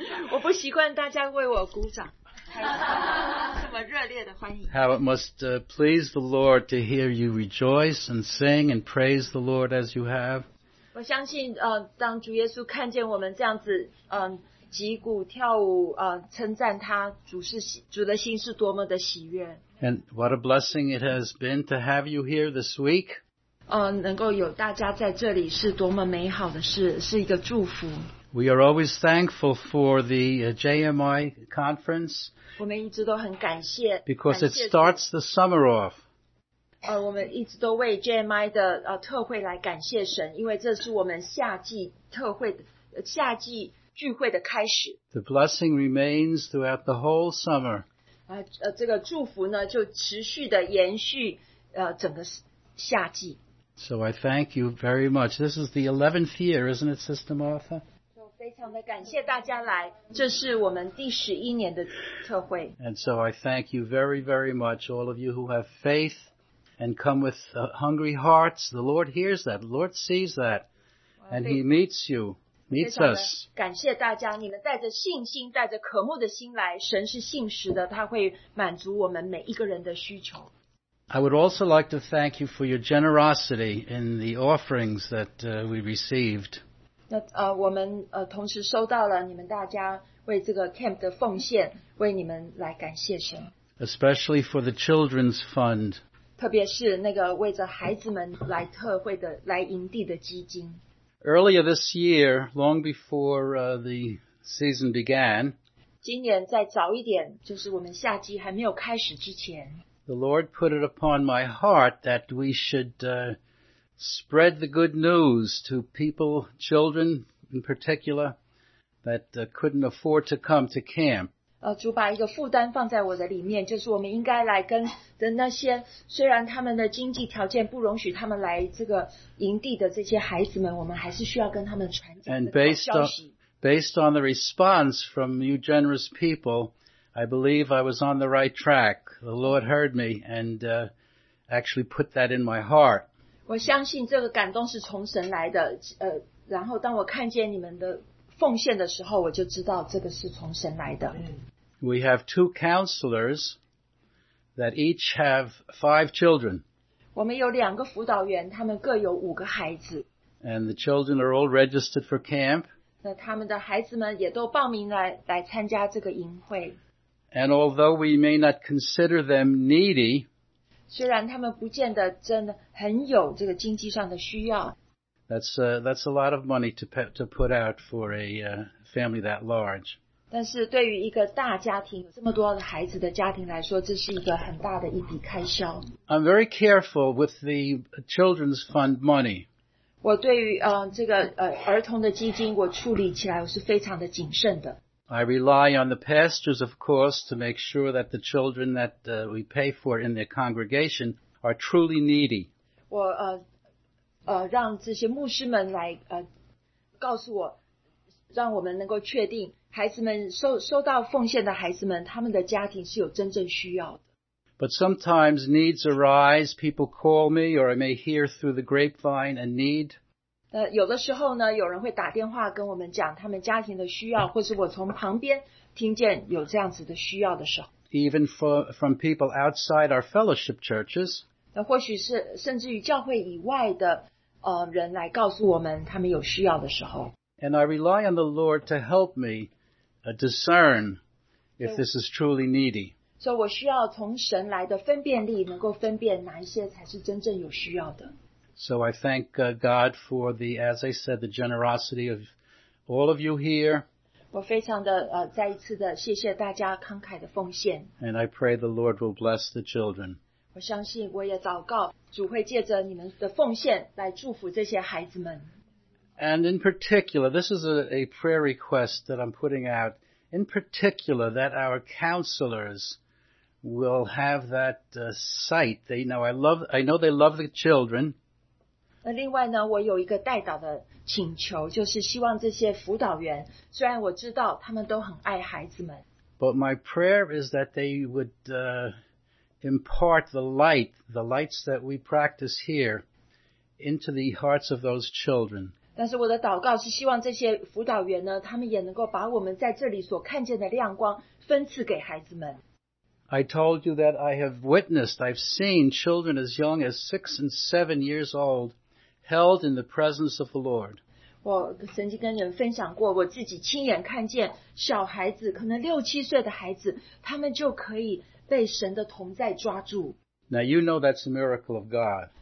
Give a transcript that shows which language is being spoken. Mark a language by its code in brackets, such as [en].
[zh] 我不习惯大家为我鼓掌，这么热烈的欢迎。 [en] How it must please the Lord to hear you rejoice and sing and praise the Lord as you have. [zh] 我相信，当主耶稣看见我们这样子，击鼓跳舞称赞他主的心是多么的喜悦。 [en] And what a blessing it has been to have you here this week. [zh] 能够有大家在这里是多么美好的事，是一个祝福。 [en] We are always thankful for the JMI conference. [zh] 我们一直都很感谢。 [en] Because it starts the summer off. [zh] 我们一直都为 JMI 的特会来感谢神，因为这是我们夏季特会的夏季聚会的开始。 [en] The blessing remains throughout the whole summer. [zh] 这个祝福呢就持续的延续整个夏季。 [en] So I thank you very much. This is the 11th year, isn't it, Sister Martha? [zh] 非常的感谢大家来，这是我们第十一年的特会。 [en] And so I thank you very, very much, all of you who have faith and come with hungry hearts. The Lord hears that, the Lord sees that, and He meets you, meets us. [zh] 感谢大家，你们带着信心，带着渴慕的心来，神是信实的，他会满足我们每一个人的需求。 [en] I would also like to thank you for your generosity in the offerings that we received. [zh] 我们同时收到了你们大家为这个 camp 的奉献，为你们来感谢神。 [en] Especially for the children's fund. [zh] 特别是那个为着孩子们来特会的来营地的基金。 [en] Earlier this year, long before the season began. [zh] 今年再早一点，就是我们夏季还没有开始之前。 [en] The Lord put it upon my heart that we should. Spread the good news to people, children in particular, that couldn't afford to come to camp. [zh] 主把一个负担放在我的里面，就是我们应该来跟的那些虽然他们的经济条件不容许他们来这个营地的这些孩子们，我们还是需要跟他们传讲这个消息。 [en] And based on the response from you generous people, I believe I was on the right track. The Lord heard me and actually put that in my heart. [zh] 我相信这个感动是从神来的，然后当我看见你们的奉献的时候，我就知道这个是从神来的。 [en] We have two counselors that each have five children. [zh] 我们有两个辅导员，他们各有五个孩子。 [en] And the children are all registered for camp. [zh] 那他们的孩子们也都报名来参加这个营会。 [en] And although we may not consider them needy, [zh] 虽然他们不见得真的很有这个经济上的需要。 [en] That's a lot of money to put out for a family that large. [zh] 但是对于一个大家庭，有这么多孩子的家庭来说，这是一个很大的一笔开销。 [en] I'm very careful with the children's fund money. [zh] 我对于这个儿童的基金，我处理起来我是非常的谨慎的。 [en] I rely on the pastors, of course, to make sure that the children that we pay for in their congregation are truly needy. [zh] 我让这些牧师们来告诉我，让我们能够确定孩子们收到奉献的孩子们，他们的家庭是有真正需要的。 [en] But sometimes needs arise. People call me, or I may hear through the grapevine a need. [zh] 有的时候呢，有人会打电话跟我们讲他们家庭的需要，或是我从旁边听见有这样子的需要的时候。 [en] Even from people outside our fellowship churches. [zh] 那或许是甚至于教会以外的人来告诉我们他们有需要的时候。 [en] And I rely on the Lord to help me discern if this is truly needy. [zh] 所以我需要从神来的分辨力，能够分辨哪一些才是真正有需要的。 [en] So I thank God for the, as I said, the generosity of all of you here. [zh] 我非常的再一次的谢谢大家慷慨的奉献。 [en] And I pray the Lord will bless the children. [zh] 我相信我也祷告主会借着你们的奉献来祝福这些孩子们。 [en] And in particular, this is a prayer request that I'm putting out. In particular, that our counselors will have that sight. They, you know, I know they love the children. [zh] 那另外呢，我有一个代祷的请求，就是希望这些辅导员，虽然我知道他们都很爱孩子们。 [en] But my prayer is that they would impart the lights that we practice here, into the hearts of those children. [zh] 但是我的祷告是希望这些辅导员呢，他们也能够把我们在这里所看见的亮光分赐给孩子们。 [en] I told you that I have witnessed, I've seen children as young as 6 and 7 years old.Held in the presence of the Lord. [zh] 我曾经跟人分享过，我自己亲眼看见小孩子，可能六七岁的孩子，他们就可以被神的同在抓住。 [en] Now you know that's a miracle of God.